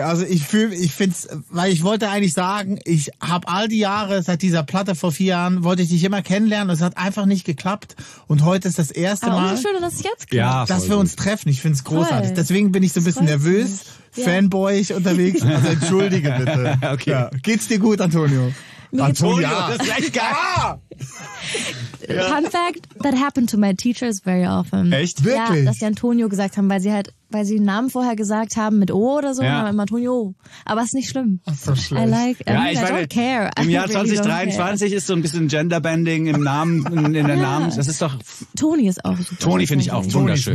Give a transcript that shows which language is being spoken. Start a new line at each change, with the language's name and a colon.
German: Also ich finde es, weil ich wollte eigentlich sagen, ich habe all die Jahre, seit dieser Platte vor 4 Jahren, wollte ich dich immer kennenlernen und es hat einfach nicht geklappt. Und heute ist das erste Mal, schön, dass, jetzt klappt, dass wir uns treffen. Ich finde es großartig. Voll. Deswegen bin ich so ein bisschen nervös, fanboyig unterwegs. Also entschuldige bitte. Okay. Ja. Geht's dir gut, Antonio? Antonio, das ist echt geil.
English: Fun fact, that happened to my teachers very often.
German: Echt? Wirklich? Ja, dass sie Antonio gesagt haben, weil sie halt, weil sie den Namen vorher gesagt haben mit O oder so, aber immer Antonio. Aber ist nicht schlimm. Ach, so
English: I don't care.
German: Im Jahr 2023 ist so ein bisschen Genderbending im Namen, in der Namen. Das ist doch. Toni ist auch super. Toni finde ich auch wunderschön.